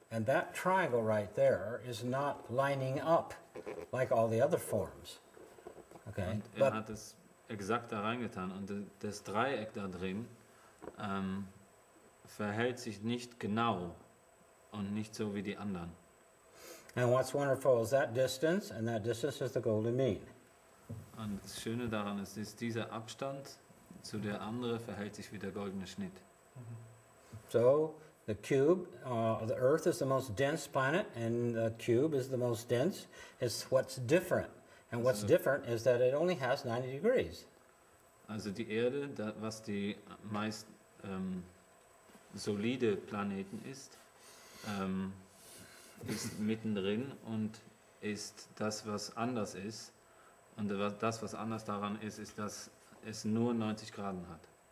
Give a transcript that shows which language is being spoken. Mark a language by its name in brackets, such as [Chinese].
[English] And that triangle right there is not lining up like all the other forms. Okay. [German] Und er hat es exakt da reingetan. Und das Dreieck da drin verhält sich nicht genau und nicht so wie die anderen. [English] And what's wonderful is that distance, and that distance is the golden mean. [German] Und das Schöne daran ist, ist dieser Abstand zu der andere verhält sich wie der goldene Schnitt. [English] So. The cube, the Earth is the most dense planet, and the cube is the most dense. It's what's different. And what's different is that it only has 90 degrees. [German] Also die Erde, was die meist solide Planeten ist, ist mittendrin und ist das, was anders ist. Und das, was anders daran ist, ist, dass es nur 90 Grad hat.